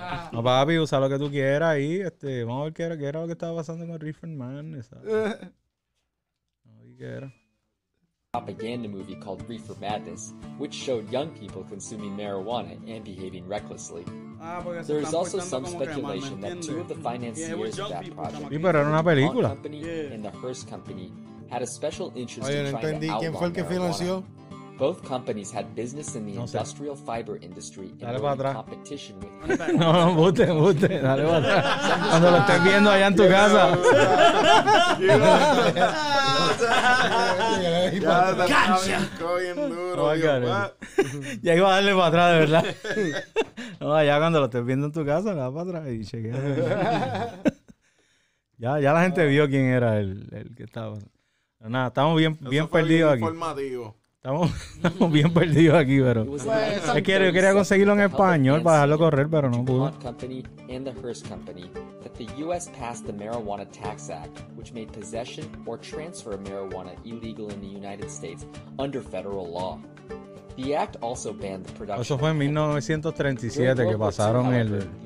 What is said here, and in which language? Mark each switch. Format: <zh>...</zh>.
<es>No, papi, usa lo que tú quieras ahí, vamos. ¿Qué era lo que estaba pasando con Reefer Man? ¿Qué era?</es> <en>Propaganda movie called Reefer Madness, which showed young people consuming marijuana and behaving recklessly. There is also some speculation that two of the financiers of that project, the Hearst Company and the Hearst Company, had a special interest in trying to outlaw marijuana. Both companies had business in the industrial fiber industry and were in competition with</en> <es>No, bute, dale para atrás. Cuando lo estés viendo allá en tu casa. ¡Cancha! Ya iba a darle para atrás, de verdad. No, allá cuando lo estés viendo en tu casa, le da para atrás y chequea. Ya la gente vio quién era el que estaba. Pero nada, estamos bien perdidos aquí. Estamos bien perdidos aquí, pero... Es que yo quería conseguirlo en español para dejarlo correr, pero no pudo.</es> <en>Company and the Hearst Company, that the U.S. passed the Marijuana Tax Act, which made possession or transfer of marijuana illegal in the United States under federal law. The act also banned the production...</en> <es>Eso fue en 1937 que pasaron el...</es>